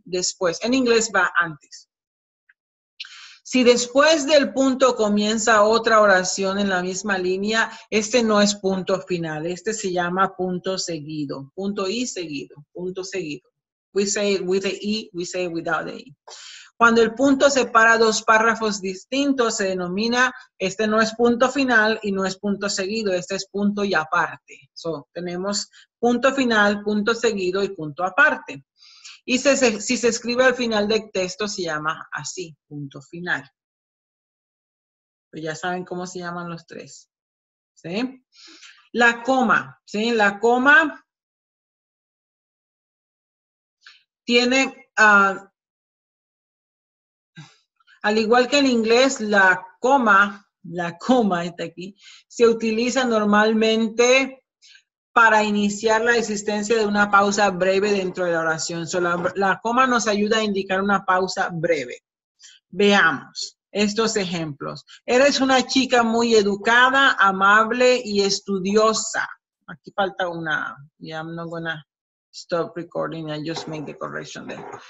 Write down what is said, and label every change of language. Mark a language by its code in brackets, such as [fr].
[es] Después, en inglés va antes. Si después del punto comienza otra oración en la misma línea, este no es punto final, este se llama punto seguido, punto y seguido, punto seguido. [en] We say it with the E, we say it without the E. [es] Cuando el punto separa dos párrafos distintos, se denomina, este no es punto final y no es punto seguido, este es punto y aparte. So, tenemos punto final, punto seguido y punto aparte. Y si se escribe al final del texto, se llama así, punto final. Pues ya saben cómo se llaman los tres. ¿Sí? La coma, ¿sí? La coma tiene, al igual que en inglés, la coma está aquí, se utiliza normalmente para iniciar la existencia de una pausa breve dentro de la oración. So, la coma nos ayuda a indicar una pausa breve. Veamos estos ejemplos. Eres una chica muy educada, amable y estudiosa. Aquí falta una. [en] Yeah, I'm not gonna stop recording. I just make the correction there.